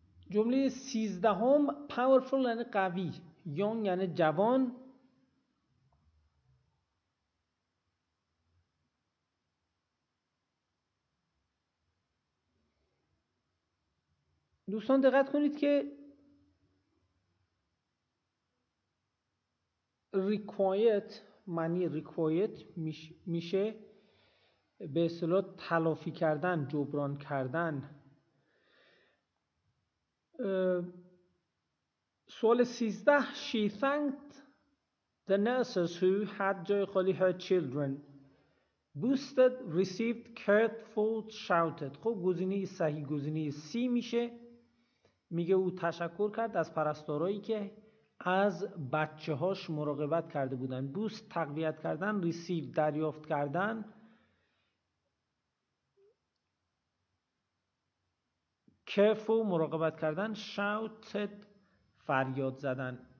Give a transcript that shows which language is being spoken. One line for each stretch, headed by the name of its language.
Persian: جمله 13، powerful یعنی قوی، young یعنی جوان، دوستان دقت کنید که required معنی required میشه به اصطلاح تلافی کردن، جبران کردن.
English: سوال 13، she thanked the nurses who had
Persian: جای خالی
English: her children boosted received cared for shouted.
Persian: خب گزینه صحیح گزینه C میشه. میگه او تشکر کرد از پرستارایی که از بچه هاش مراقبت کرده بودن. بوست تقویت کردن، ریسیو دریافت کردن، کفو مراقبت کردن، شاوتد فریاد زدن.